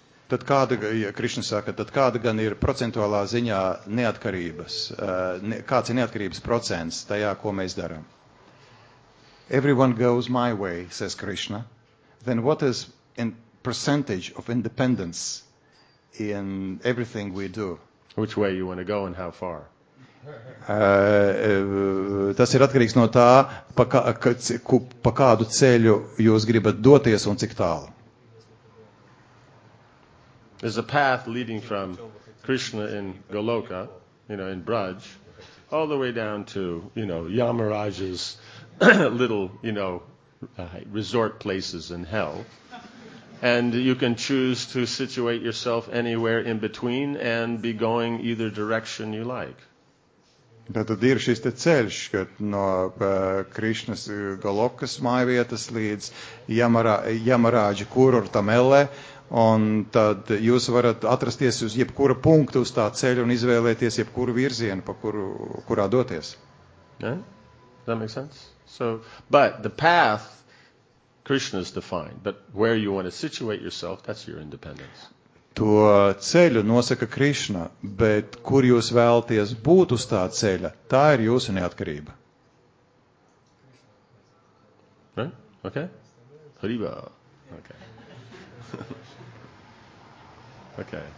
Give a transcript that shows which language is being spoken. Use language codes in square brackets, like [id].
[lv] Tad kāda, ja Krišna saka, tad kāda gan ir procentuālā ziņā neatkarības? Kāds ir neatkarības procents tajā, ko mēs darām? [en] Everyone goes my way, says Krishna. Then what is in percentage of independence in everything we do? Which way you want to go and how far? [lv] Tas ir atkarīgs no tā, pa kādu ceļu jūs gribat doties un cik tālu. [en] There's a path leading from Krishna in Goloka, you know, in Braj, all the way down to, you know, Yamaraj's little, you know, resort places in hell. And you can choose to situate yourself anywhere in between and be going either direction you like. [lv] Tad ir šis te ceļš, kad no Krišnas Golokas mājvietas līdz Yamarāģa kūrortam Elle, un tad jūs varat atrasties uz jebkura punktu uz tā ceļa un izvēlēties jebkuru virzienu, pa kurā doties. [en] Yeah? That makes sense? So, but the path Krishna's defined, but where you want to situate yourself, that's your independence. [lv] To ceļu nosaka Krišna, bet kur jūs vēlties būt uz tā ceļa, tā ir jūsu neatkarība. [en] Right? Okay? Haribā. Okay. Okay.